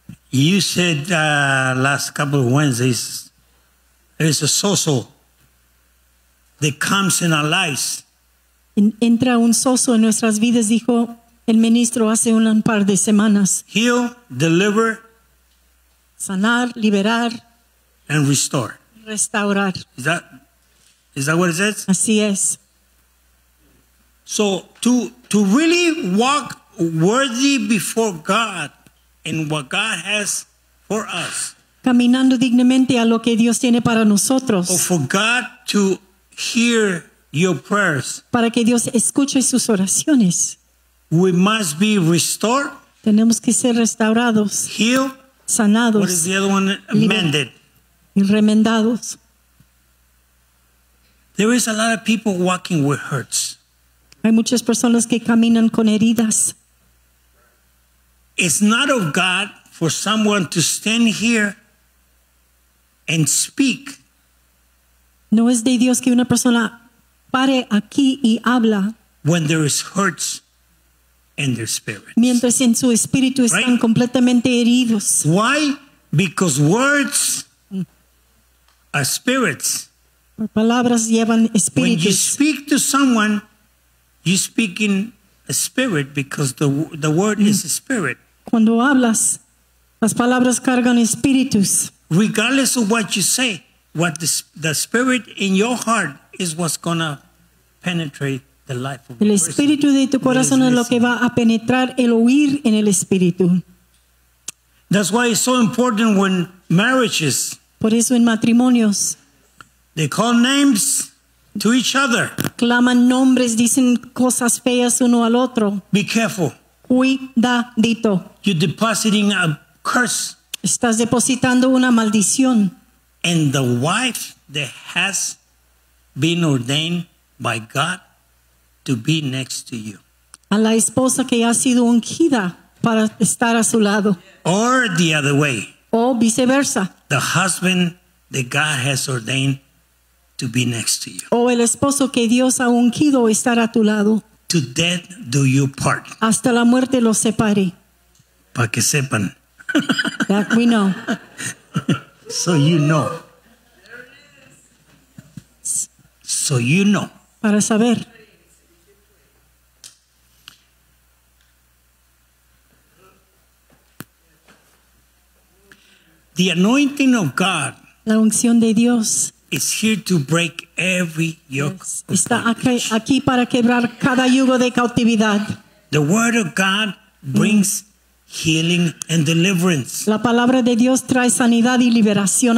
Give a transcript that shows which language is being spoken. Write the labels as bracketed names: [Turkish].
[English] You said last couple of Wednesdays, there's a sozo that comes in our lives. [Spanish] Entra un sozo en nuestras vidas, dijo el ministro hace un par de semanas. [English] Heal, deliver, [Spanish] sanar, liberar, [English] and restore. [Spanish] Restaurar. [English] Is that what it says? [Spanish] Así es. [English] So to really walk worthy before God and what God has for us. [Spanish] Caminando dignamente a lo que Dios tiene para nosotros. [English] Or for God to hear your prayers. [Spanish] Para que Dios escuche sus oraciones. [English] We must be restored. [Spanish] Tenemos que ser restaurados. [English] Healed. [Spanish] Sanados. [English] What is the other one? Mended. [Spanish] Y remendados. [English] There is a lot of people walking with hurts. [Spanish] Hay muchas personas que caminan con heridas. [English] It's not of God for someone to stand here and speak. [Spanish] No es de Dios que una persona pare aquí y habla. [English] When there is hurts in their spirit. [Spanish] Mientras en su espíritu están right? Completamente heridos. [English] Why? Because words are spirits. [Spanish] Por palabras llevan espíritus. [English] When you speak to someone, you speak in a spirit because the word is a spirit. [Spanish] Cuando hablas, las palabras cargan espíritus. [English] Regardless of what you say, what the spirit in your heart is what's going to penetrate the life of [Spanish] el espíritu de tu corazón es lo que va a penetrar el oír en el espíritu. [English] That's why it's so important when marriages. [Spanish] Por eso en matrimonios. [English] They call names to each other. [Spanish] Claman nombres, dicen cosas feas uno al otro. [English] Be careful. [Spanish] Cuidadito. [English] You're depositing a curse. [Spanish] Estás depositando una maldición. [English] And the wife that has been ordained by God to be next to you. [Spanish] A la esposa que ha sido ungida para estar a su lado. [English] Or the other way. [Spanish] O viceversa. [English] The husband that God has ordained to be next to you. [Spanish] O el esposo que Dios ha ungido estar a tu lado. [English] To death do you part. [Spanish] Hasta la muerte los separe. Para que sepan. [English] That we know. So you know. So you know. [Spanish] Para saber. [English] The anointing of God. [Spanish] La unción de Dios. [English] It's here to break every yoke. Yes. [Spanish] Está aquí para quebrar cada yugo de cautividad. [English] The word of God brings healing and deliverance. [Spanish] La palabra de Dios trae sanidad y liberación.